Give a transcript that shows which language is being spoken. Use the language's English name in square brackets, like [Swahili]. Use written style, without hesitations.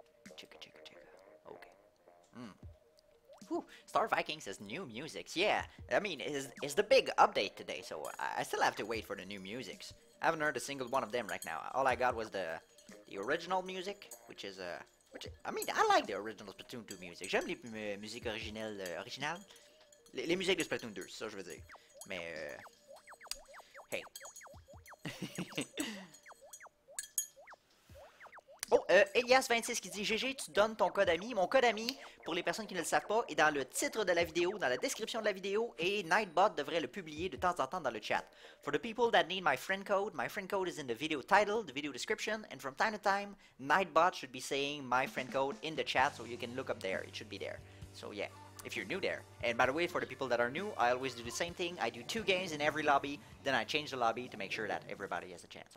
[English] Chicka, chicka, chicka. Okay. Whew. Star Vikings has new musics. Yeah. I mean, it's the big update today, so I still have to wait for the new musics. I haven't heard a single one of them right now. All I got was the original music, which is, I mean, I like the original Splatoon 2 music. [French] J'aime les musiques originales. Les musiques de Splatoon 2, c'est ça que je veux dire. Mais, hey. Elias26 qui dit « GG, tu donnes ton code ami. » Mon code ami, pour les personnes qui ne le savent pas, est dans le titre de la vidéo, dans la description de la vidéo, et Nightbot devrait le publier de temps en temps dans le chat. [English] « For the people that need my friend code is in the video title, the video description, and from time to time, Nightbot should be saying my friend code in the chat, so you can look up there. It should be there. So yeah, if you're new there. And by the way, for the people that are new, I always do the same thing. I do two games in every lobby, then I change the lobby to make sure that everybody has a chance.